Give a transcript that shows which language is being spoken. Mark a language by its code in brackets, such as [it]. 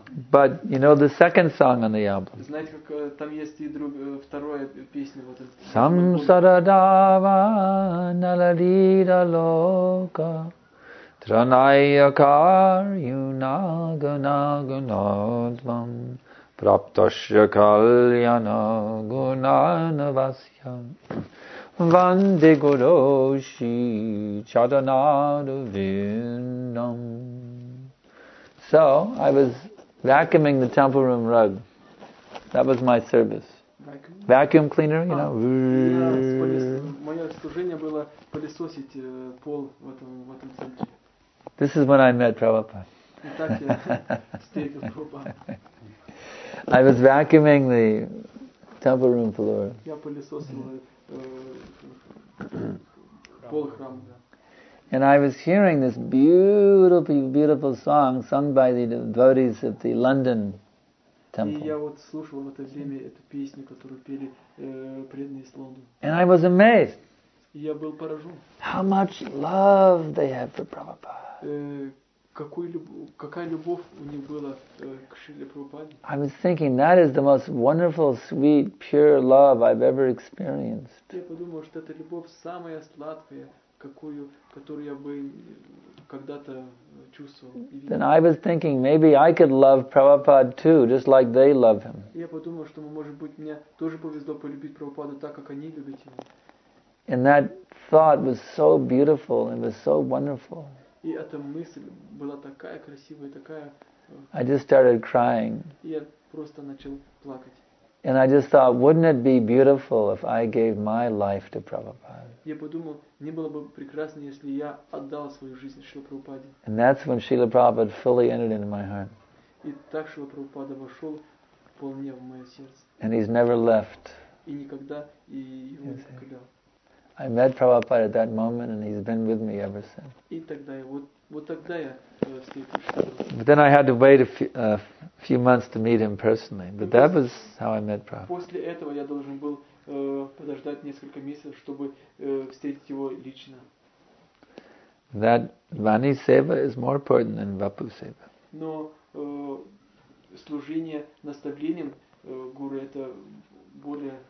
[en] But you know the second song on the album. [ru] Знаете, как там есть и вторая песня вот эта. [sa] Samsara dava nalalida loka tranaya karyuna guna gunatvam praptasya kalyana gunanavasyam vande guru shi chadanaru vindam. [en] So I was vacuuming the temple room rug. That was my service. Vacuum cleaner, you know. [ru] Моё служение было пылесосить пол в этом центре. [en] This is when I met Prabhupada. [ru] Итак, я встретил Прабхупаду. [en] I was vacuuming the temple room floor. [ru] Я пылесосил пол храма. [en] And I was hearing this beautiful, beautiful song sung by the devotees at the London temple. [ru] И я вот слушал в это время эту песню, которую пели преданные из Лондона. [en] And I was amazed. [ru] И я был поражен. [en] How much love they had for Prabhupada. [ru] Какая любовь у них была к Шриле Прабхупаде. [en] I was thinking that is the most wonderful, sweet, pure love I've ever experienced. [ru] Я подумал, что эта любовь самая сладкая, какую, которую я бы когда-то чувствовал. [en] Then I was thinking, maybe I could love Prabhupada too, just like they love him. [ru] Я подумал, что, может быть, мне тоже повезло полюбить Прабхупаду так, как они любят его. [en] And that thought was so beautiful, it was so wonderful. [ru] И эта мысль была такая красивая, такая. [en] I just started crying. [ru] Я просто начал плакать. [en] And I just thought, wouldn't it be beautiful if I gave my life to Prabhupada? [ru] Я подумал, не было бы прекрасно, если я отдал свою жизнь Шриле Прабхупаде. [en] And that's when Srila Prabhupada fully entered into my heart. [ru] И так Шрила Прабхупада вошел вполне в мое сердце. [en] And he's never left. [ru] И никогда и его не покидал. [en] I met Prabhupada at that moment, and he's been with me ever since. [ru] И тогда я вот тогда я. [en] But then I had to wait a few months to meet him personally. But that was how I met Prabhupada. [ru] После этого я должен был подождать несколько месяцев, чтобы встретить его лично. [en] That Vani Seva is more important than Vapu Seva. [ru] Но служение наставлением гуру это более